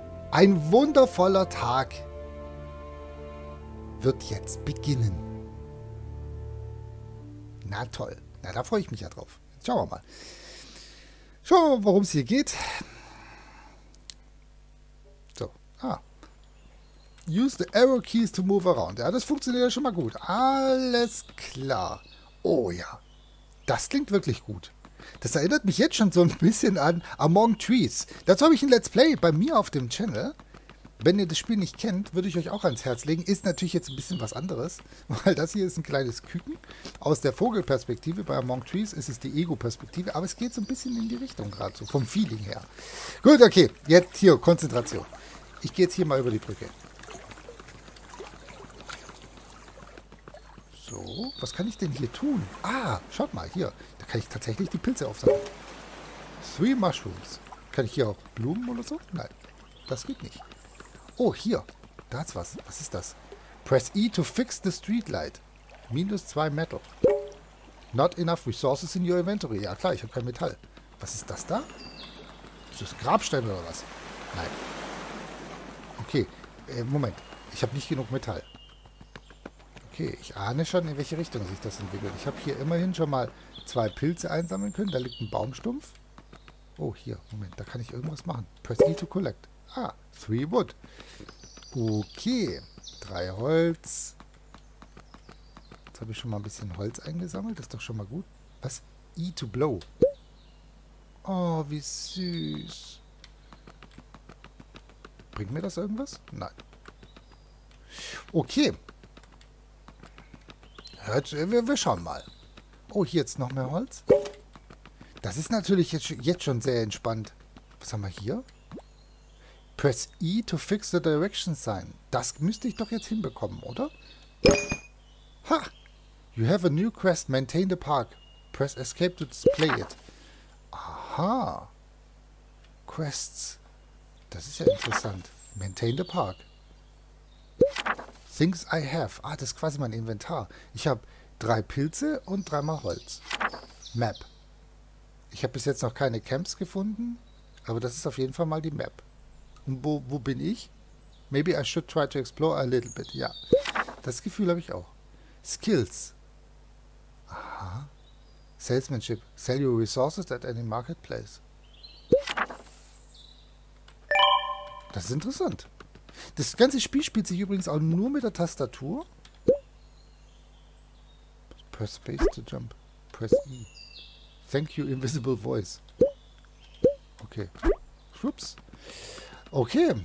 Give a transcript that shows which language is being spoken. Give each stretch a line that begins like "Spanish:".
German: Ein wundervoller Tag wird jetzt beginnen. Na toll. Na, da freue ich mich ja drauf. Jetzt schauen wir mal. Schauen wir mal, worum es hier geht. So. Ah.
English: Use the arrow keys to move around.
German: Ja, das funktioniert ja schon mal gut. Alles klar. Oh ja. Das klingt wirklich gut. Das erinnert mich jetzt schon so ein bisschen an Among Trees. Dazu habe ich ein Let's Play bei mir auf dem Channel. Wenn ihr das Spiel nicht kennt, würde ich euch auch ans Herz legen. Ist natürlich jetzt ein bisschen was anderes, weil das hier ist ein kleines Küken. Aus der Vogelperspektive bei Among Trees ist es die Ego-Perspektive, aber es geht so ein bisschen in die Richtung gerade so, vom Feeling her. Gut, okay, jetzt hier, Konzentration. Ich gehe jetzt hier mal über die Brücke. So, was kann ich denn hier tun? Ah, schaut mal, hier, da kann ich tatsächlich die Pilze aufsammeln.
English: Three Mushrooms.
German: Kann ich hier auch Blumen oder so? Nein, das geht nicht. Oh, hier. Da ist was. Was ist das?
English: Press E to fix the streetlight. Minus 2 Metal. Not enough resources in your inventory.
German: Ja klar, ich habe kein Metall. Was ist das da? Ist das ein Grabstein oder was? Nein. Okay. Moment. Ich habe nicht genug Metall. Okay, ich ahne schon, in welche Richtung sich das entwickelt. Ich habe hier immerhin schon mal 2 Pilze einsammeln können. Da liegt ein Baumstumpf. Oh, hier. Moment, da kann ich irgendwas machen.
English: Press E to collect.
German: Ah, 3 Wood. Okay, 3 Holz. Jetzt habe ich schon mal ein bisschen Holz eingesammelt. Das ist doch schon mal gut. Was?
English: E to blow.
German: Oh, wie süß. Bringt mir das irgendwas? Nein. Okay. Wir schauen mal. Oh, hier jetzt noch mehr Holz. Das ist natürlich jetzt schon sehr entspannt. Was haben wir hier?
English: Press E to fix the direction sign.
German: Das müsste ich doch jetzt hinbekommen, oder?
English: Ha! You have a new quest. Maintain the park. Press Escape to display it.
German: Aha. Quests. Das ist ja interessant.
English: Maintain the park. Things I have.
German: Ah, das ist quasi mein Inventar. Ich habe 3 Pilze und 3 Holz. Map. Ich habe bis jetzt noch keine Camps gefunden, aber das ist auf jeden Fall mal die Map. Und wo bin ich?
English: Maybe I should try to explore a little bit.
German: Ja, das Gefühl habe ich auch. Skills. Aha. Salesmanship.
English: Sell your resources at any marketplace.
German: Das ist interessant. Das ganze Spiel spielt sich übrigens auch nur mit der Tastatur.
English: Press space to jump. Press E. Thank you, invisible voice. Okay. Ups. Okay.